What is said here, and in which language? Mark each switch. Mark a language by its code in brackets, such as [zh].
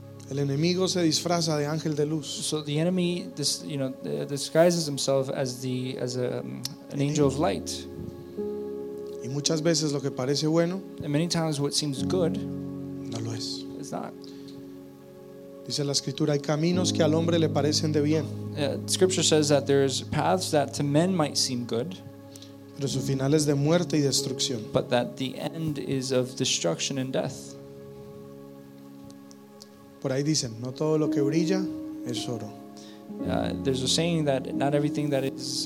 [es] El enemigo se disfraza de ángel de luz. [en] So the enemy, this, you know, disguises himself as an angel of light. [es] Y muchas veces lo que parece bueno, [en] and many times what seems good, [es] no lo es. [en] It's not. [es] Dice la escritura, hay caminos que al hombre le parecen de bien. [en] Scripture says that there's paths that to men might seem good. [es] Pero su final es de muerte y destrucción. [en] But that the end is of destruction and death. [es] Por ahí dicen, no todo lo que brilla es oro. [en] There's a saying that not everything that is